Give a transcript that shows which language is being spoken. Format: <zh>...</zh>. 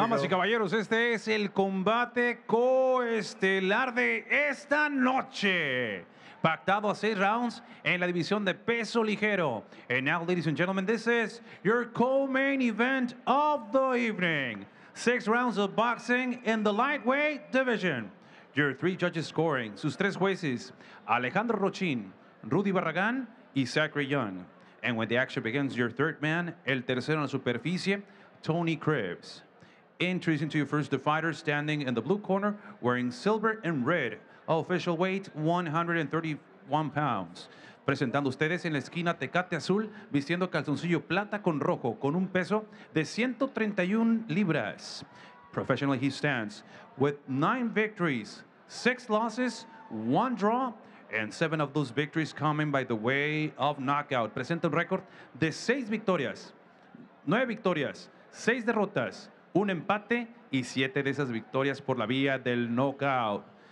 <es>Damas y caballeros, este es el combate coestelar de esta noche. Pactado a 6 rounds en la división de peso ligero.</es> <en>And now, ladies and gentlemen, this is your co-main event of the evening. 6 rounds of boxing in the lightweight division. Your 3 judges scoring.</en> <es>Sus 3 jueces, Alejandro Rochin, Rudy Barragán, y Zachary Young.</es> <en>And when the action begins, your 3rd man,</en> <es>el tercero en la superficie,</es> <en>Tony Cribbs. Introducing to you first the fighter standing in the blue corner wearing silver and red. Official weight, 131 pounds.</en> <es>Presentando ustedes en la esquina Tecate Azul, vistiendo calzoncillo plata con rojo, con un peso de 131 libras.</es> <en>Professionally, he stands with 9 victories, 6 losses, 1 draw, and 7 of those victories coming by the way of knockout.</en> <es>Presenta un récord de 6 victorias, 9 victorias, 6 derrotas, 1 empate, y 7 de esas victorias por la vía del knockout.</es>